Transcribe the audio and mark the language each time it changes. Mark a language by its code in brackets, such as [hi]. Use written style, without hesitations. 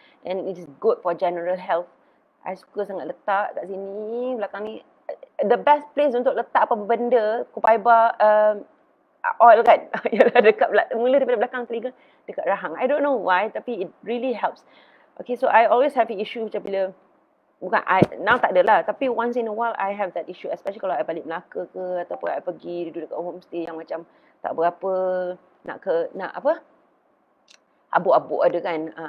[en] And it is good for general health. [ms] I suka sangat letak kat sini belakang ni. [en] The best place [ms] untuk letak apa benda kopaiban oil kan, ialah dekat mula daripada belakang telinga dekat rahang. [en] I don't know why, [ms] tapi [en] it really helps. [ms] Okay, [en] so I always have issue [ms] macam bila, bukan I, now tak adalah, tapi [en] once in a while I have that issue, especially [ms] kalau I balik Melaka ke ataupun I pergi duduk dekat homestay yang macam tak berapa nak apa abuk-abuk ada kan.